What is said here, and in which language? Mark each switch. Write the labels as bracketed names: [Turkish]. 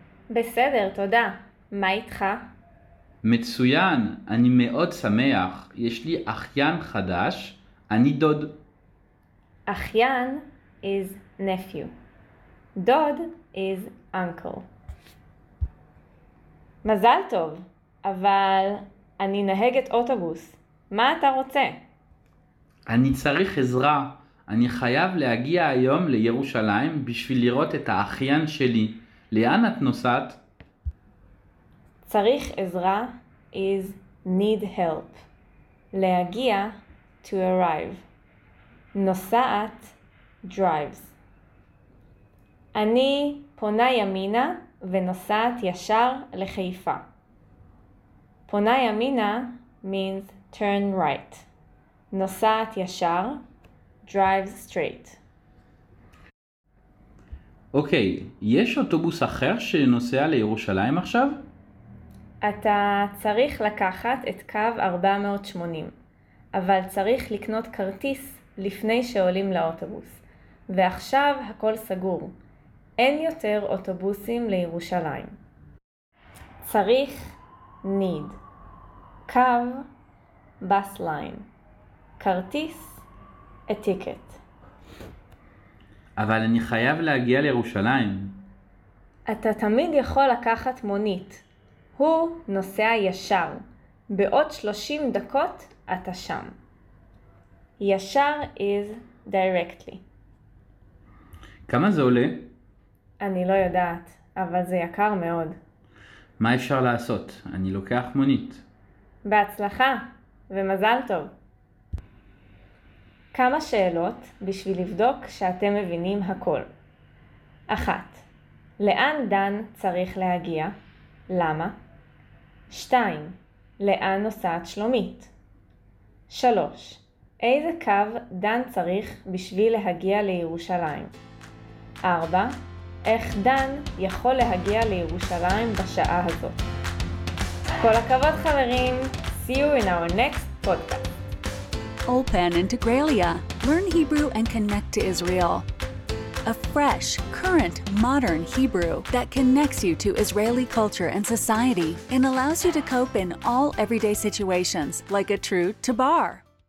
[Hebrew] בסדר, תודה. מה איתך? מצוין, אני מאוד שמח. יש לי אחיין חדש, אני דוד. [English] אחיין is nephew. דוד is uncle. [Hebrew] מזל טוב, אבל אני נהגת אוטובוס. מה אתה רוצה? אני צריך עזרה. אני חייב להגיע היום לירושלים בשביל לראות את האחיין שלי. לאן את נוסעת? צריך עזרה [English] is need help. להגיע to arrive. [Hebrew] נוסעת drives. אני פונה ימינה ונוסעת ישר לחיפה. פונה ימינה [English] means turn right. [Hebrew] נוסעת ישר [English] drives straight. [Hebrew] אוקיי, יש אוטובוס אחר שנוסע לירושלים עכשיו? אתה צריך לקחת את קו 480, אבל צריך לקנות כרטיס לפני שעולים לאוטובוס. ועכשיו הכל סגור. אין יותר אוטובוסים לירושלים. [English] צריך need. קו bus line. כרטיס a ticket. [Hebrew] אבל אני חייב להגיע לירושלים. אתה תמיד יכול לקחת מונית. הוא נוסע ישר. בעוד 30 דקות אתה שם. [English] ישר is directly. [Hebrew] כמה זה עולה? אני לא יודעת, אבל זה יקר מאוד. מה אפשר לעשות? אני לוקח מונית. בהצלחה ומזל טוב. כמה שאלות בשביל לבדוק שאתם מבינים הכל. אחת, לאן דן צריך להגיע? למה? שתיים, לאן נוסעת שלומית? שלוש, איזה קו דן צריך בשביל להגיע לירושלים? ארבע, איך דן יכול להגיע לירושלים בשעה הזאת? כל הכבוד חברים! [English] See you in our next podcast. Ulpan Integraliah. Learn Hebrew and connect to Israel. A fresh, current, modern Hebrew that connects you to Israeli culture and society and allows you to cope in all everyday situations like a true tabar.